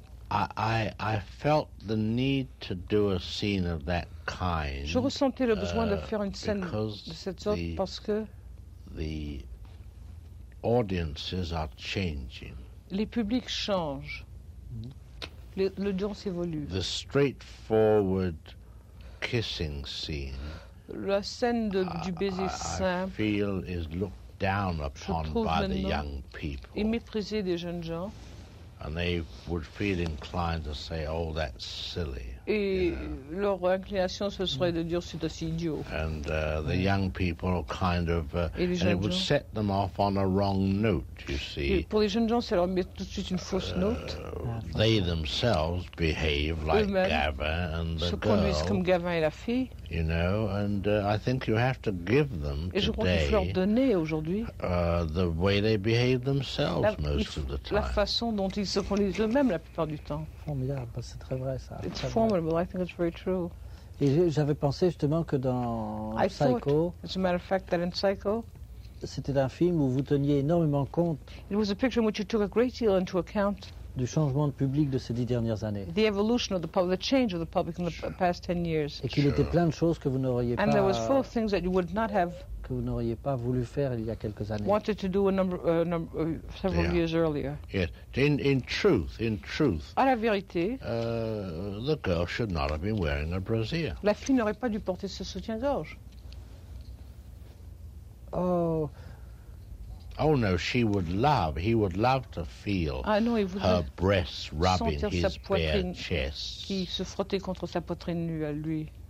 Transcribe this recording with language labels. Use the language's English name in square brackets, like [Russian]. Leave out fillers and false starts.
[English] I felt the need to do a scene of that kind. [French] Je ressentais le besoin de faire une scène de cette sorte parce que [English] the audiences are changing. [French] Les publics changent. L'audience évolue. [English] The straightforward kissing scene. [French] La scène du baiser simple. [English] I feel is looked down upon by the young people. [French] Est méprisé des jeunes gens. [English] And they would feel inclined to say, "Oh, that's silly." [French] Et leur inclination ce serait de dire, c'est aussi idiot. [English] And the young people are kind of, and it would set them off on a wrong note, you see. [French] Et pour les jeunes gens, ça leur met tout de suite une fausse note. [English] They themselves behave like Gavin and the [French] se [English] girl. [French] Se conduisent comme Gavin et la fille. [English] You know, and I think you have to give them [French] et Et je crois qu'il faut leur donner aujourd'hui. [English] The way they behave themselves most of the time. [French] La façon dont ils se conduisent eux-mêmes la plupart du temps. Formidable, c'est très vrai ça. [English] It's formidable. I think it's very true. [French] Et j'avais pensé justement que dans Psycho, [English] as a matter of fact, that in Psycho, [French] c'était un film où vous teniez énormément compte. [English] It was a picture in which you took a great deal into account. [French] Du changement de public de ces 10 dernières années. [English] The evolution of the public, the change of the public in the past 10 years. [French] Et qu'il était plein de choses que vous n'auriez pas. [English] And there was full of things that you would not have. [French] Que vous n'auriez pas voulu faire il y a quelques années. [English] Wanted to do a number several years earlier. Yes, in truth. [French] À la vérité. [English] The girl should not have been wearing a brassiere. [French] La fille n'aurait pas dû porter ce soutien-gorge. Oh. [English] Oh no, she would love. He would love to feel her breasts rubbing his bare chest. [French] Qui se frottait contre sa poitrine nue à lui.